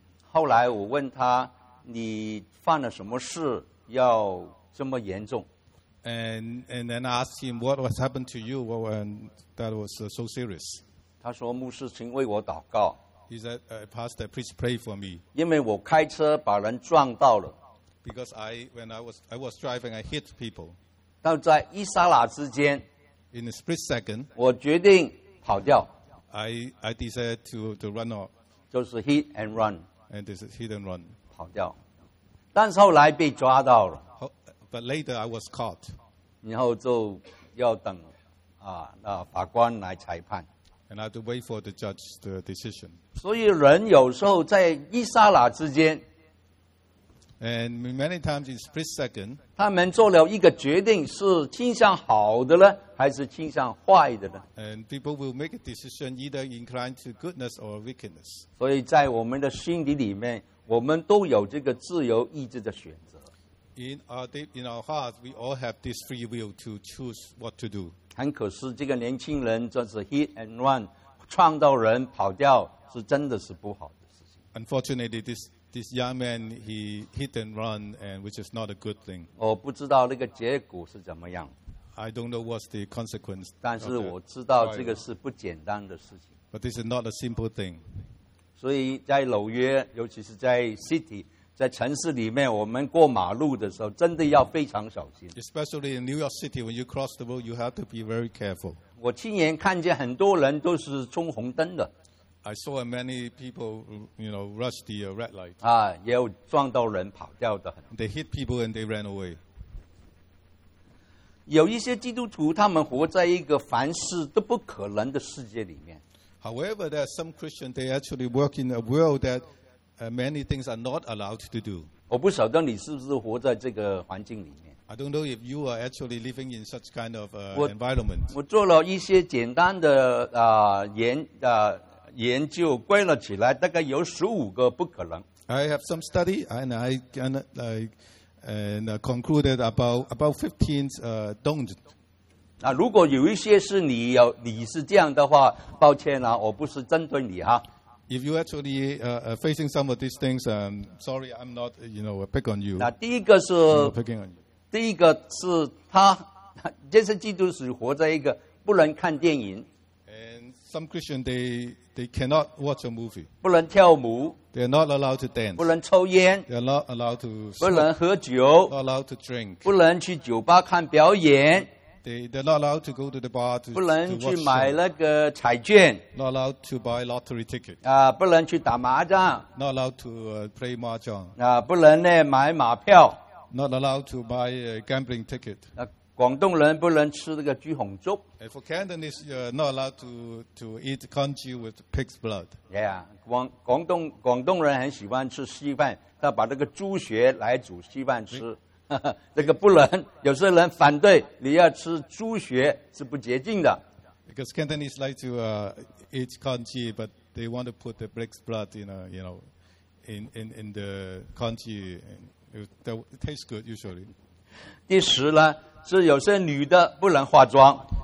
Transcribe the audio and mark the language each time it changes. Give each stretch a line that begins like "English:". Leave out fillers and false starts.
Chinese: 后来我问他，你犯了什么事要这么严重？
English: And then asked him what was happened to you when that was so serious.
Chinese: 他说牧师请为我祷告。
English: He said, Pastor, please pray for me.
Chinese: 因为我开车把人撞到了。
English: Because when I was driving, I hit people.
Chinese: 但在一刹那之间。
English: In a split second.
Chinese: 我决定跑掉。
English: I decided to run off.
Chinese: 就是 hit and run.
English: And this is hit and run.
Chinese: 跑掉。但是后来被抓到了。
English: But later I was caught.
Chinese: 然后就要等法官来裁判。
English: And I had to wait for the judge's decision.
Chinese: 所以人有时候在一刹那之间。
English: And many times in split second.
Chinese: 他们做了一个决定，是倾向好的呢，还是倾向坏的呢？
English: And people will make a decision either inclined to goodness or wickedness.
Chinese: 所以在我们的心底里面，我们都有这个自由意志的选择。
English: In our hearts, we all have this free will to choose what to do.
Chinese: 很可惜，这个年轻人就是 hit and run， 撞到人跑掉，是真的是不好的事情。
English: Unfortunately, this young man he hit and run, and which is not a good thing.
Chinese: 我不知道那个结果是怎么样。
English: I don't know what's the consequence.
Chinese: 但是我知道这个是不简单的事情。
English: But this is not a simple thing.
Chinese: 所以在纽约，尤其是在 city。在城市里面，我们过马路的时候，真的要非常小心。
English: Especially in New York City, when you cross the road, you have to be very careful.
Chinese: 我亲眼看见很多人都是冲红灯的。
English: I saw many people, you know, rush the red light.
Chinese: 也有撞到人跑掉的。
English: They hit people and they ran away.
Chinese: 有一些基督徒，他们活在一个凡事都不可能的世界里面。
English: However, there are some Christians, they actually work in a world that many things are not allowed to do.
Chinese: 我不晓得你是不是活在这个环境里面。
English: I don't know if you are actually living in such kind of environment.
Chinese: 我做了一些简单的研究，归了起来，大概有15个不可能。
English: I have some study and I can concluded about 15 don't.
Chinese: 如果有一些是你是这样的话，抱歉啊，我不是针对你哈。
English: If you actually facing some of these things, sorry, I'm not, you know, pick on you.
Chinese: 那第一个是
English: picking on you.
Chinese: 第一个是他，这些基督徒活在一个不能看电影。
English: And some Christians they cannot watch a movie.
Chinese: 不能跳舞。
English: They're not allowed to dance.
Chinese: 不能抽烟。
English: They're not allowed to smoke.
Chinese: 不能喝酒。
English: Not allowed to drink.
Chinese: 不能去酒吧看表演。
English: They're not allowed to go to the bar to
Chinese: 不能去买那个彩券。
English: Not allowed to buy lottery tickets.
Chinese: 不能去打麻将。
English: Not allowed to play mahjong.
Chinese: 不能呢买马票。
English: Not allowed to buy a gambling ticket.
Chinese: 广东人不能吃那个猪红粥。
English: And for Cantonese, you're not allowed to eat congee with pig's blood.
Chinese: Yeah, 广东人很喜欢吃稀饭，他把那个猪血来煮稀饭吃。这个不能，有些人反对你要吃猪血是不洁净的。
English: Because Cantonese like to eat congee, but they want to put the pig's blood in the congee. It tastes good usually.
Chinese: 第十呢，是有些女的不能化妆。